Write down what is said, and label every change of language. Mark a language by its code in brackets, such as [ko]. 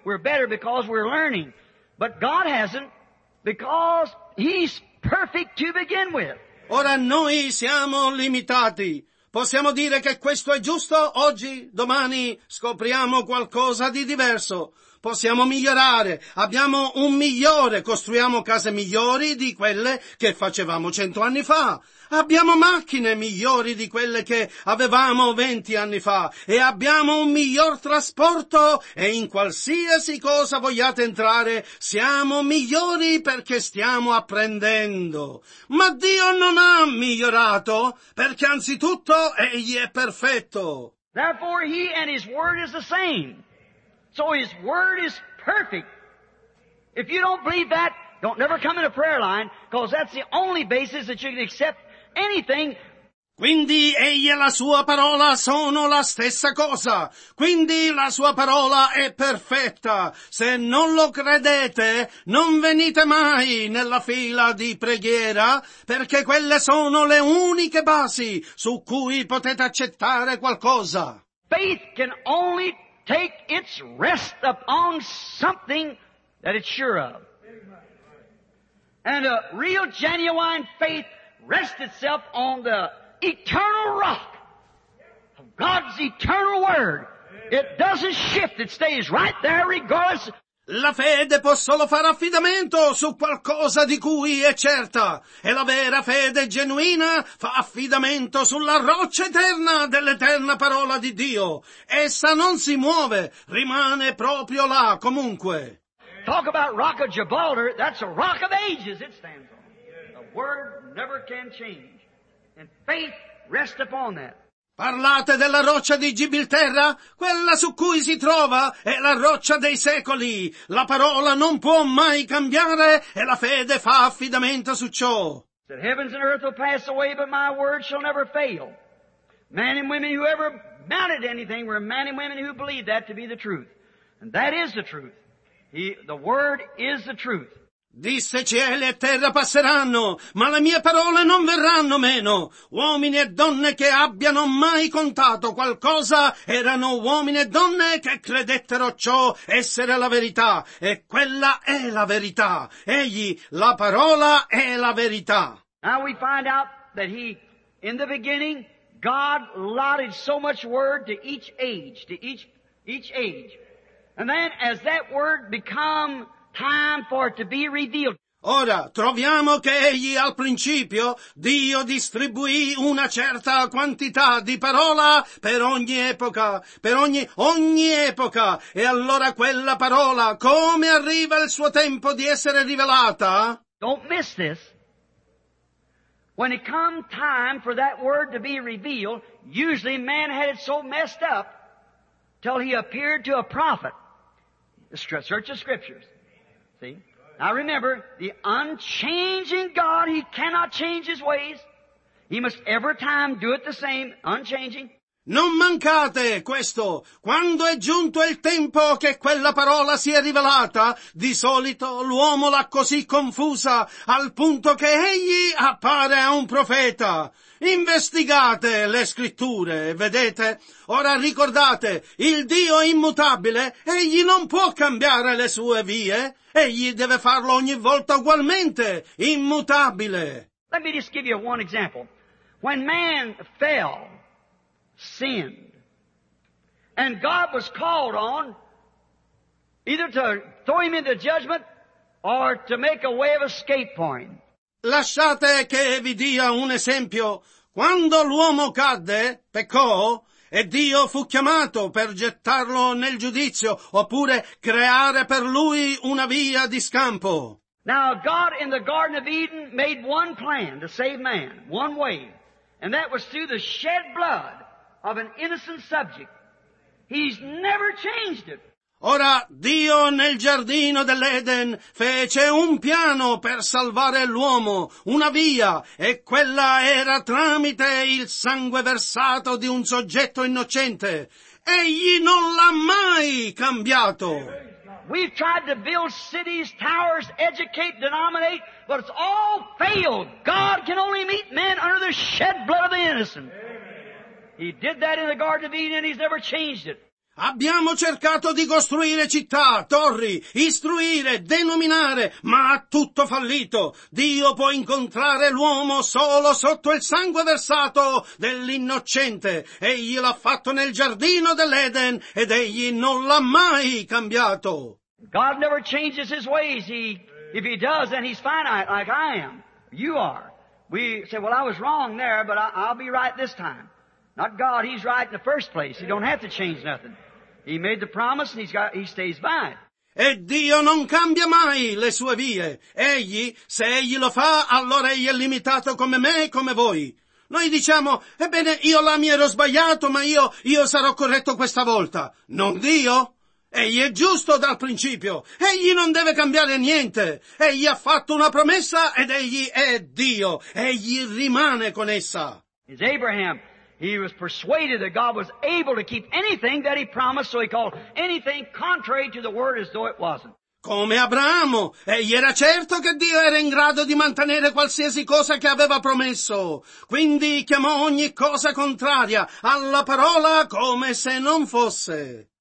[en] We're better because we're learning. But God hasn't, because He's perfect to begin with. [it] Ora noi siamo limitati. Possiamo dire che questo è giusto? Oggi, domani, scopriamo qualcosa di diverso. Possiamo migliorare, abbiamo un migliore, costruiamo case migliori di quelle che facevamo 100 anni fa. Abbiamo macchine migliori di quelle che avevamo 20 anni fa. E abbiamo un miglior trasporto e in qualsiasi cosa vogliate entrare, siamo migliori perché stiamo apprendendo. Ma Dio non ha migliorato perché anzitutto Egli è perfetto. [en] Therefore He and His Word is the same. So His Word is perfect. If you don't believe that, don't never come in a prayer line, because that's the only basis that you can accept anything. [it] Quindi Egli e la Sua parola sono la stessa cosa. Quindi la Sua parola è perfetta. Se non lo credete, non venite mai nella fila di preghiera, perché quelle sono le uniche basi su cui potete accettare qualcosa. [en] Faith can only take its rest upon something that it's sure of. And a real genuine faith rests itself on the eternal rock of God's eternal word. It doesn't shift, it stays right there regardless. [it] La fede può solo fare affidamento su qualcosa di cui è certa, e la vera fede genuina fa affidamento sulla roccia eterna dell'eterna parola di Dio. Essa non si muove, rimane proprio là comunque. [en] Talk about Rock of Gibraltar, that's a rock of ages it stands on. The word never can change, and faith rests upon that. [it] Parlate della roccia di Gibilterra? Quella su cui si trova è la roccia dei secoli. La parola non può mai cambiare e la fede fa affidamento su ciò. [en] That heavens and earth will pass away, but my word shall never fail. Men and women who ever mounted anything were men and women who believed that to be the truth. And that is the truth. The word is the truth. [it] Disse: cieli e terra passeranno, ma le mie parole non verranno meno. Uomini e donne che abbiano mai contato qualcosa erano uomini e donne che credettero ciò essere la verità. E quella è la verità. Egli, la parola, è la verità. [en] Now we find out that he, in the beginning, God allotted so much word to each age, to each age. And then as that word become time for it to be revealed. [it] Ora, troviamo che egli al principio, Dio distribuì una certa quantità di parola per ogni epoca, per ogni epoca, e allora quella parola, come arriva il suo tempo di essere rivelata? [en] Don't miss this. When it come time for that word to be revealed, usually man had it so messed up till he appeared to a prophet. Search the scriptures. See? Now remember, the unchanging God, he cannot change his ways. He must every time do it the same, unchanging. [it] Non mancate questo. Quando è giunto il tempo che quella parola sia rivelata, di solito l'uomo l'ha così confusa al punto che egli appare a un profeta. Investigate le scritture, vedete? Ora ricordate, il Dio è immutabile, egli non può cambiare le sue vie. Egli deve farlo ogni volta ugualmente, immutabile. [en] Let me just give you one example. When man fell, sinned, and God was called on either to throw him into judgment or to make a way of escape for him. [it] Lasciate che vi dia un esempio. Quando l'uomo cadde, peccò, e Dio fu chiamato per gettarlo nel giudizio oppure creare per lui una via di scampo. [en] Now God in the Garden of Eden made one plan to save man, one way, and that was through the shed blood of an innocent subject. He's never changed it. [it] Ora, Dio nel giardino dell'Eden fece un piano per salvare l'uomo, una via, e quella era tramite il sangue versato di un soggetto innocente. Egli non l'ha mai cambiato. [en] We've tried to build cities, towers, educate, denominate, but it's all failed. God can only meet men under the shed blood of the innocent. He did that in the Garden of Eden and he's never changed it. [it] Abbiamo cercato di costruire città, torri, istruire, denominare, ma ha tutto fallito. Dio può incontrare l'uomo solo sotto il sangue versato dell'innocente. Egli l'ha fatto nel giardino dell'Eden ed egli non l'ha mai cambiato. [en] God never changes his ways. If he does, then he's finite like I am. You are. We say, well, I was wrong there, but I'll be right this time. Not God, he's right in the first place. He don't have to change nothing. He made the promise and he stays by it. [it] E Dio non cambia mai le sue vie. Egli, se egli lo fa, allora egli è limitato come me e come voi. Noi diciamo, ebbene, io là mi ero sbagliato, ma io sarò corretto questa volta. Non Dio. Egli è giusto dal principio. Egli non deve cambiare niente. Egli ha fatto una promessa ed egli è Dio. Egli rimane con essa. [en] Is Abraham. He was persuaded that God was able to keep anything that he promised, so he called anything contrary to the word as though it wasn't. [it] Come Abramo, egli era certo che Dio era in grado di mantenere qualsiasi cosa che aveva promesso. Quindi chiamò ogni cosa contraria alla parola come se non fosse.